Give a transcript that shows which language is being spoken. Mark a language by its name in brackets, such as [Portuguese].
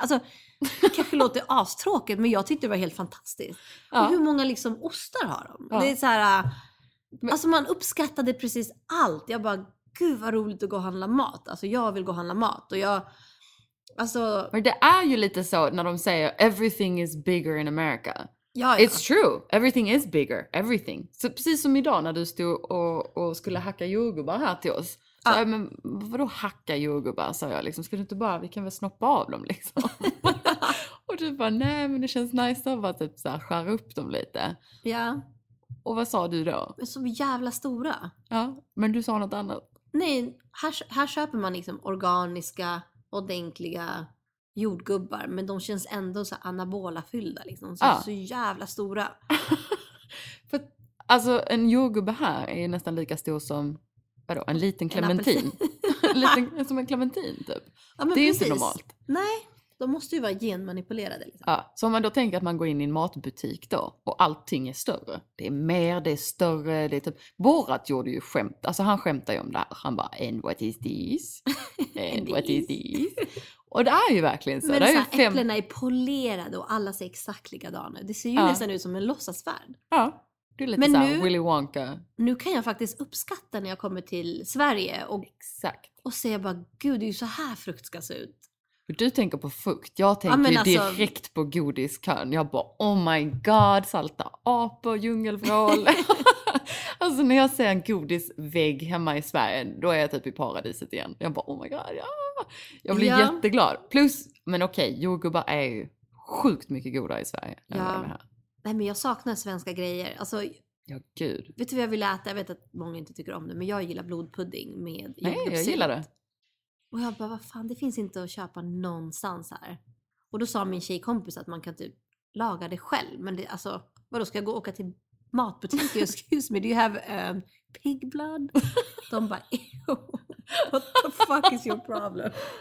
[Swedish] Alltså, det kanske låter astråkigt, men jag tyckte det var helt fantastiskt. Ja. Och hur många liksom ostar har de? Ja. Det är så här, alltså man uppskattade precis allt. Jag bara, gud vad roligt att gå och handla mat. Alltså jag vill gå och handla mat och jag... alltså, men det är ju lite så när de säger [English] everything is bigger in America. [Swedish] Ja, [English] it's true, everything is bigger, everything. [Swedish] Så precis som idag när du stod och skulle hacka jordgubbar här till oss. Så, ja, men vadå hacka jordgubbar, sa jag liksom. Skulle du inte bara, vi kan väl snoppa av dem liksom. Och du bara, nej men det känns nice att bara typ så här, skära upp dem lite. Ja. Och vad sa du då? Så jävla stora. Ja, men du sa något annat. Nej, här köper man liksom organiska, ordentliga jordgubbar, men de känns ändå så anabolafyllda liksom, så, ah, så jävla stora. För alltså en jordgubbe här är ju nästan lika stor som, vadå, en liten clementin. som en clementin typ. Ja, men det är inte normalt. Nej, de måste ju vara genmanipulerade liksom. Ja, så om man då tänker att man går in i en matbutik då och allting är större. Det är mer, det är större, det är typ... Borat gjorde ju skämt. Alltså han skämtade ju om det här. Han bara, [English] and what is this? And what is this? [Swedish] Och det är ju verkligen så. Men det är så här, äpplena är polerade och alla ser exakt likadana. Det ser ju, ja, nästan ut som en låtsasvärd. Ja, det är lite så här Willy Wonka. Nu kan jag faktiskt uppskatta när jag kommer till Sverige och, exakt, och säger bara, gud, det är ju så här frukt ska se ut. Du tänker på frukt, jag tänker, ja, alltså, direkt på godiskön. Jag bara, [English] oh my god, [Swedish] salta apor, djungelvrål. Alltså när jag ser en godisvägg hemma i Sverige, då är jag typ i paradiset igen. Jag bara, [English] oh my god, [Swedish] ja. Jag blir, ja, jätteglad. Plus, men okej, jordgubbar är ju sjukt mycket goda i Sverige. Ja. Här. Nej, men jag saknar svenska grejer. Alltså, ja, gud. Vet du vad jag vill äta? Jag vet att många inte tycker om det, men jag gillar blodpudding med jordgubbssylt. Nej, jag gillar det. Och jag bara, vad fan, det finns inte att köpa någonstans här. Och då sa min tjejkompis att man kan typ laga det själv. Men det, alltså, vadå, ska jag gå och åka till matbutiken? [English] Excuse me, do you have pig blood? [Swedish] De bara, [English] ew, what the fuck is your problem?